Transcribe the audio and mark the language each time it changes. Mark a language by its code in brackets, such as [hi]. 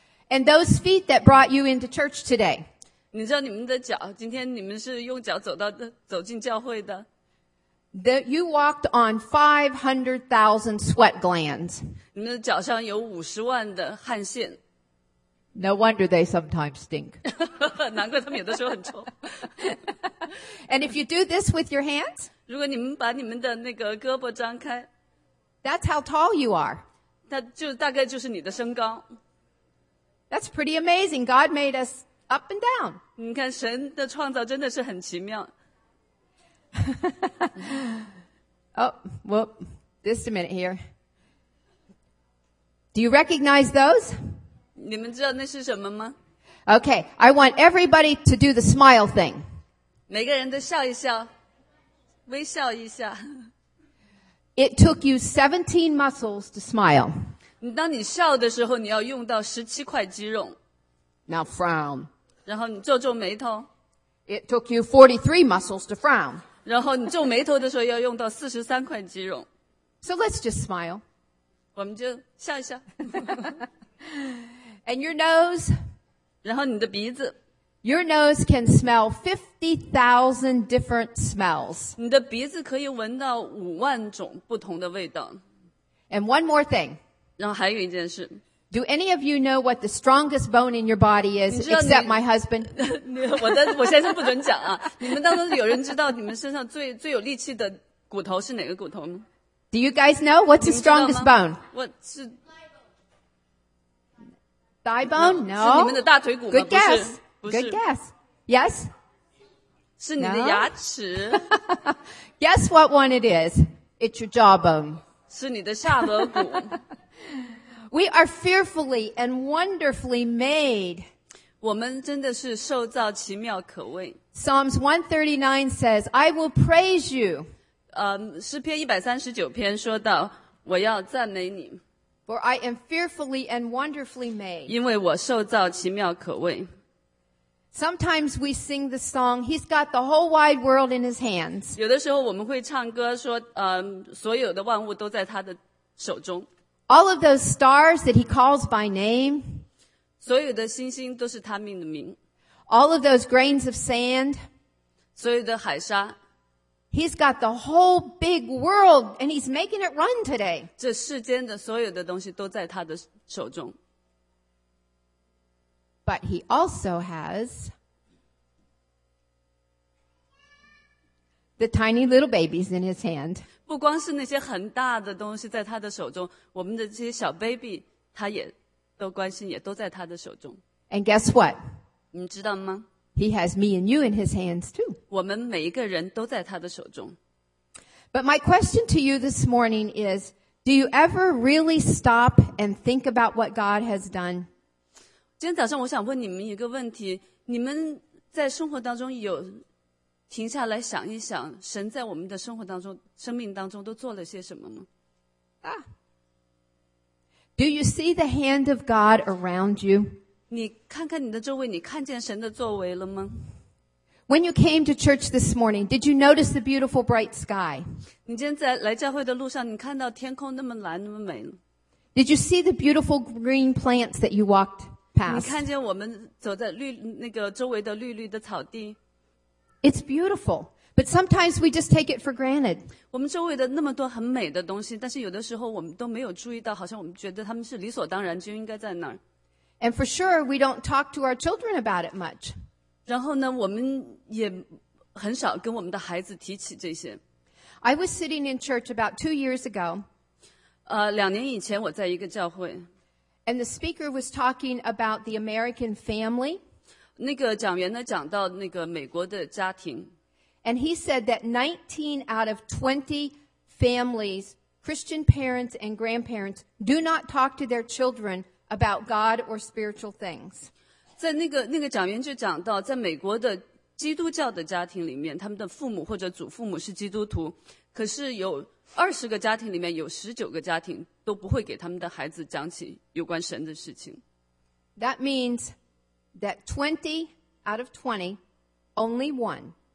[en] And those feet that brought you into church today. [zh] 你知道你们的脚，今天你们是用脚走进教会的。 [en] That you walked on 500,000 sweat glands. [zh] 你们的脚上有50万的汗腺。 [en] No wonder they sometimes stink. [zh] 难怪他们有的时候很臭。 [en] And if you do this with your hands. [zh] 如果你们把你们的那个胳膊张开 [en] ，That's how tall you are. [zh] 那就大概就是你的身高。 [en] That's pretty amazing. God made us up and down. [zh] 你看神的创造真的是很奇妙。 [en] Oh, well, just a minute here. Do you recognize those? [zh] 你们知道那是什么吗？ [en] Okay, I want everybody to do the smile thing. [zh] 每个人都笑一笑，微笑一下。 [en] It took you 17 muscles to smile. [zh] 当你笑的时候，你要用到17块肌肉。 [en] Now frown. [zh] 然后你皱皱眉头。 [en] It took you 43 muscles to frown. [zh] 然后你皱眉头的时候要用到43块肌肉。 [en] So let's just smile. [zh] 我们就笑一笑。 [en] And your nose. [zh] 然后你的鼻子。 [en] Your nose can smell 50,000 different smells. [zh] 你的鼻子可以闻到五万种不同的味道。 [en] And one more thing. [zh] 然后还有一件事。 [en] Do any of you know what the strongest bone in your body is, except my husband? [zh] 我先生不准讲啊。你们当中有人知道你们身上最有力气的骨头是哪个骨头吗？ [en] Do you guys know what's the strongest bone? What's the thigh bone? No. [zh] 是你们的大腿骨吗？ [en] Good guess. Good guess. Yes? [zh] 是你的牙齿。 [en] Guess what one it is. It's your jawbone. [zh] 是你的下颌骨。 [en] We are fearfully and wonderfully made. [zh] 我们真的是受造奇妙可畏。 [en] Psalms 139 says, I will praise you. [zh] 诗篇139篇说到，我要赞美你。 [en] For I am fearfully and wonderfully made. [zh] 因为我受造奇妙可畏。 [en] Sometimes we sing the song, He's got the whole wide world in His hands. [zh] 有的时候我们会唱歌说，所有的万物都在他的手中。 [en] All of those stars that he calls by name. [zh] 所有的星星都是他命的名。 [en] All of those grains of sand. [zh] 所有的海沙。 [en] He's got the whole big world and he's making it run today. [zh] 这世间的所有的东西都在他的手中。 [en] But he also has the tiny little babies in his hand. [zh] 不光是那些很大的东西在他的手中，我们的这些小 baby 他也都关心，也都在他的手中。 [en] And guess what? [zh] 你知道吗？ [en] He has me and you in his hands too. [zh] 我们每一个人都在他的手中。 [en] But my question to you this morning is, do you ever really stop and think about what God has done? [zh] 今天早上我想问你们一个问题，你们在生活当中有停下来想一想，神在我们的生活当中、生命当中都做了些什么吗？ [en] Do you see the hand of God around you? [zh] 你看看你的周围，你看见神的作为了吗？ [en] When you came to church this morning, did you notice the beautiful bright sky? [zh] 你今天在来教会的路上，你看到天空那么蓝、那么美了？ [en] Did you see the beautiful green plants that you walked past? [zh] 你看见我们走在绿那个周围的绿绿的草地？ [en] It's beautiful, but sometimes we just take it for granted. [zh] 我们周围的那么多很美的东西，但是有的时候我们都没有注意到，好像我们觉得他们是理所当然就应该在那儿。 [en] And for sure, we don't talk to our children about it much. [zh] 然后呢，我们也很少跟我们的孩子提起这些。 [en] I was sitting in church about 2 years ago. [zh] 两年以前我在一个教会。 [en] And the speaker was talking about the American family. [zh] 那个讲员呢讲到那个美国的家庭。 [en] And he said that 19 out of 20 families, Christian parents and grandparents, do not talk to their children about God or spiritual things. [zh] 在那个讲员就讲到，在美国的基督教的家庭里面，他们的父母或者祖父母是基督徒，可是有20个家庭里面有19个家庭都不会给他们的孩子讲起有关神的事情。 [en] That means... That 20 out of 20, only one.